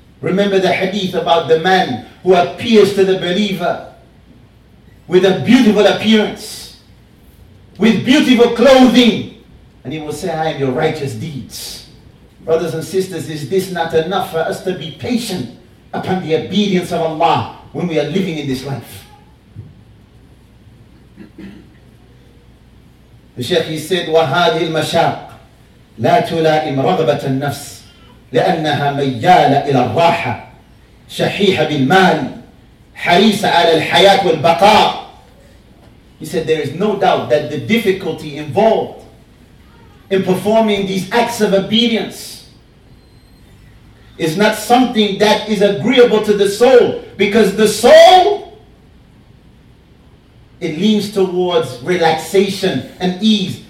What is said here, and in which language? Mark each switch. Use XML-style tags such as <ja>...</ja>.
<en>Remember the hadith about the man who appears to the believer with a beautiful appearance, with beautiful clothing, and he will say, I am your righteous deeds. Brothers and sisters, is this not enough for us to be patient upon the obedience of Allah when we are living in this life? The Shaykh, he said,</en> <ar>وَهَذِهِ الْمَشَاقْ لَا تُلَائِمْ رَغْبَةَ النَّفْسِ لأنها ميالة إلى الراحة شحيحة بالمال حريصة على الحياة والبقاء.</ar> <en>He said, there is no doubt that the difficulty involved in performing these acts of obedience is not something that is agreeable to the soul, because the soul, it leans towards relaxation and ease.</en>